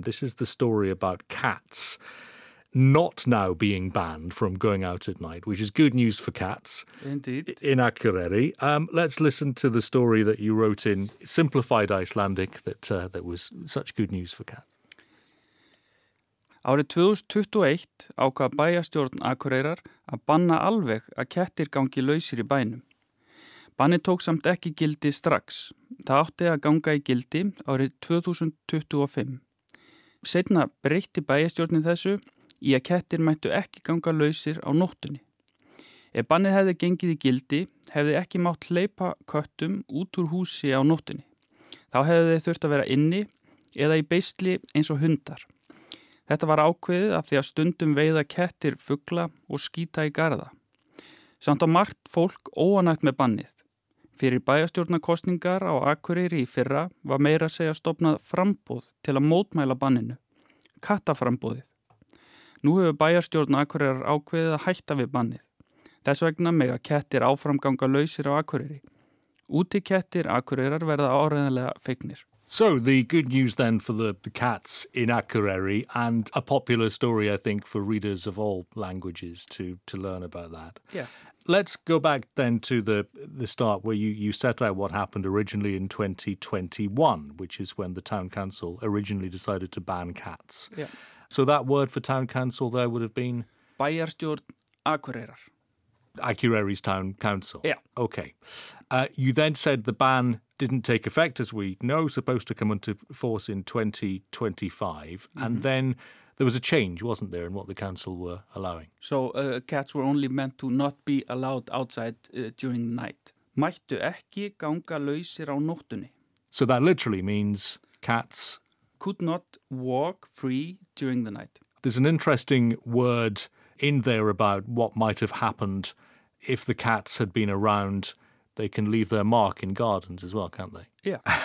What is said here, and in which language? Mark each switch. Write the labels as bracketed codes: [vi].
[en] This is the story about cats not now being banned from going out at night, which is good news for cats. Indeed. In Akureyri. Let's listen to the story that you wrote in simplified Icelandic that was such good news for cats. [is] Árið 2021 ákvað bæjarstjórn Akureyrar að banna alveg að kettir gangi lausir í bænum. Bannið tók samt ekki gildi strax. Það átti að ganga í gildi árið 2025. Seinna breytti bæjarstjórnin þessu í að kettir mættu ekki ganga lausir á nóttunni. Ef bannið hefði gengið í gildi, hefði ekki mátt hleypa köttum út úr húsi á nóttunni. Þá hefði þeir þurft að vera inni eða í beisli eins og hundar. Þetta var ákveðið af því að stundum veiða kettir fugla og skýta í garða. Samt á margt fólk óanægt með bannið. Fyrir bæjarstjórnarkosningar á Akureyri í fyrra var meira að segja stofnað framboð til að mótmæla banninu, kattaframboðið. Nú hefur bæjarstjórn Akureyrar ákveðið að hætta við bannið. Þess vegna mega kettir áframganga lausir á Akureyri. Úti kettir Akureyrar verða áreiðanlega feignir. [en] So the good news then for the cats in Akureyri, and a popular story, I think, for readers of all languages to learn about that. Yeah. Let's go back then to the start where you set out what happened originally in 2021, which is when the town council originally decided to ban cats. Yeah. So that word for town council there would have been? [is] Bæjarstjórn Akureyrar. [en] Akureyri's town council. Yeah. Okay. You then said the ban didn't take effect, as we know, supposed to come into force in 2025. Mm-hmm. And then there was a change, wasn't there, in what the council were allowing? So cats were only meant to not be allowed outside during the night. [is] Mættu ekki ganga lausir á nóttunni. [en] So that literally means cats could not walk free during the night. There's an interesting word in there about what might have happened if the cats had been around. They can leave their mark in gardens as well, can't they? Yeah.